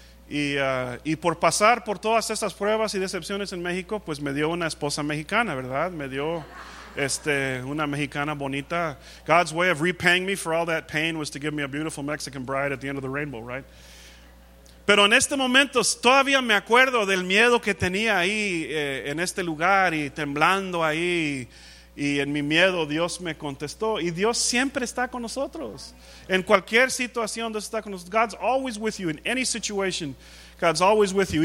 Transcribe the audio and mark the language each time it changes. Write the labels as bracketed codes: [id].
[es] Y por pasar por todas estas pruebas y decepciones en México, pues me dio una esposa mexicana, ¿verdad? Me dio una mexicana bonita. [en] God's way of repaying me for all that pain was to give me a beautiful Mexican bride at the end of the rainbow, right? [es] Pero en este momento todavía me acuerdo del miedo que tenía ahí en este lugar y temblando ahí. Y en mi miedo Dios me contestó. Y Dios siempre está con nosotros. En cualquier situación Dios está con nosotros. [en] God's always with you in any situation. God's always with you.